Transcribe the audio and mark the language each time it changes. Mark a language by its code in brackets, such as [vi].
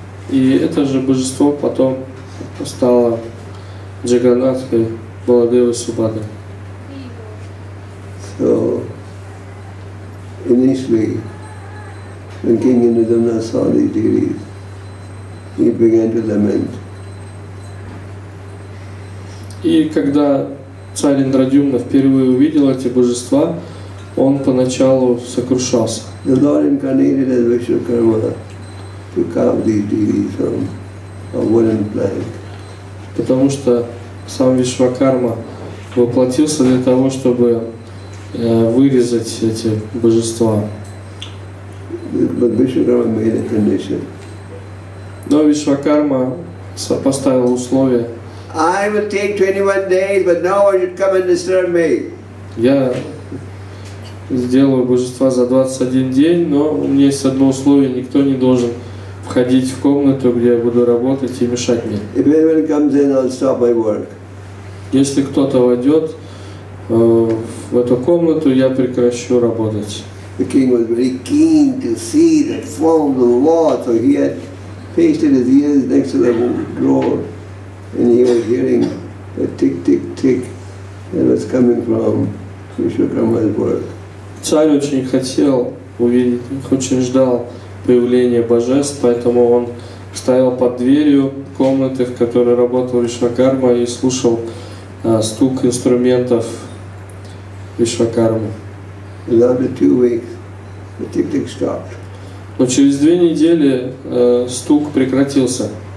[ru] И это же божество потом стало Джаганнатхой Баладевы Субхадры. [en] So, initially, when King Indradyumna saw these deities, he began to lament. [ru] И когда царь Индрадюмна впервые увидел эти божества, он поначалу сокрушался. [en] The Lord incarnated as Vishwakarma to carve these deities from a wooden plank. [ru] Потому что сам Вишвакарма воплотился для того, чтобы вырезать эти божества. [en] But Vishwakarma made a condition. [ru] Но Вишвакарма поставил условие. [en] I will take 21 days, but no one should come and disturb me. [ru] Я сделаю божество за 21 день, но у меня есть одно условие: никто не должен входить в комнату, где я буду работать, и мешать мне. [en] If anyone comes in, I'll stop my work. [ru] Если кто-то войдет в эту комнату, я прекращу работать. [en] The king was very keen to see the form of the Lord, so he had pasted his ears next to the door. And he was hearing the tick, tick, tick that was coming from Vishwakarma's work. [ru] Царь очень хотел увидеть их, очень ждал появления божеств, поэтому он стоял под дверью комнаты, в которой работал Вишвакарма, и слушал стук инструментов Вишвакармы. Но через две недели стук прекратился.